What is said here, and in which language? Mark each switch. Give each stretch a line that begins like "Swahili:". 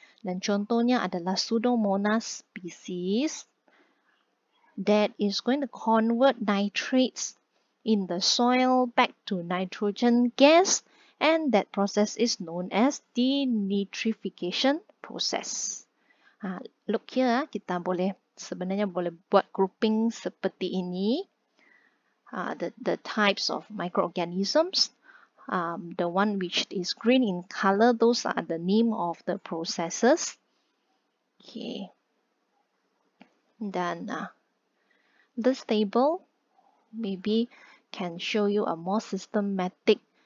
Malay: Dan contohnya adalah
English: Pseudomonas species that is going to convert nitrates in the soil back to nitrogen gas, and that process is known as denitrification process. Look here,
Malay: kita boleh sebenarnya boleh buat grouping seperti ini.
English: The types of microorganisms, the one which is green in color, those are the name of the processes. Okay, then this table maybe can show you a more systematic